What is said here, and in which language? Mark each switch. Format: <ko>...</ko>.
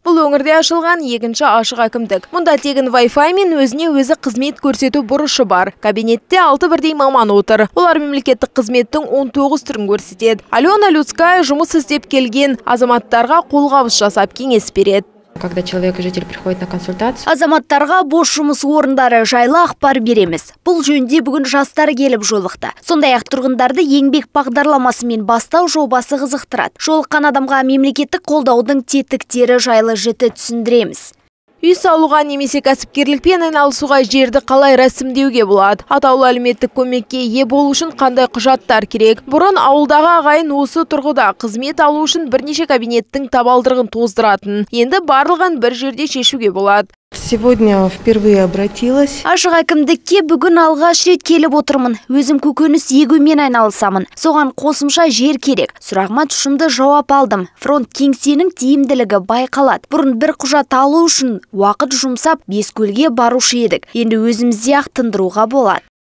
<kk>Бұл өңірде ашылған екінші ашық әкімдік. Мұнда тегін вайфай мен өзіне өзі қызмет көрсету бұрышы бар. Кабинетте 6 бірдей маман отыр. Олар мемлекеттік қызметтің 19 түрін көрсетеді. Алена Люцкая жұмыс істеп келген азаматтарға қолғабыс жасап кеңес береді.</kk> <ru>Когда человек и житель приходит на консультацию.</ru> <kk>Азаматтарға бос жұмыс орындары жайлы ақпар береміз. Бұл жөнде бүгін жастар келіп жолықты. Сондай ақ тұрғындарды еңбек бағдарламасы мен бастау жобасы қызықтырады. Жолыққан адамға мемлекеттік қолдаудың тетіктері жайлы жіті түсіндіреміз. Үй салуға немесе кәсіпкерлікпен айналысуға жерді қалай рәсімдеуге болады? Атаулы әлеуметтік көмекке ие болу үшін қандай құжаттар керек? Бұрын ауылдағы ағайын осы тұрғыда қызмет алу үшін бірнеше кабинеттің табалдырығын тоздыратын. Енді барлығын бір жерде шешуге болады.</kk> <ru>Сегодня впервые обратилась.</ru> <kk>Ашық әкімдікке бүгін алғаш рет келіп отырмын. Өзім көкөніс егумен айналысамын. Соған қосымша жер керек. Сұрағыма тұшымды жауап алдым. Фронт кеңсенің тиімділігі байқалады. Бұрын бір құжат алу үшін уақыт жұмсап, Бескөлге барушы едік. Енді өзімізде ақ тындыруға болады.</kk>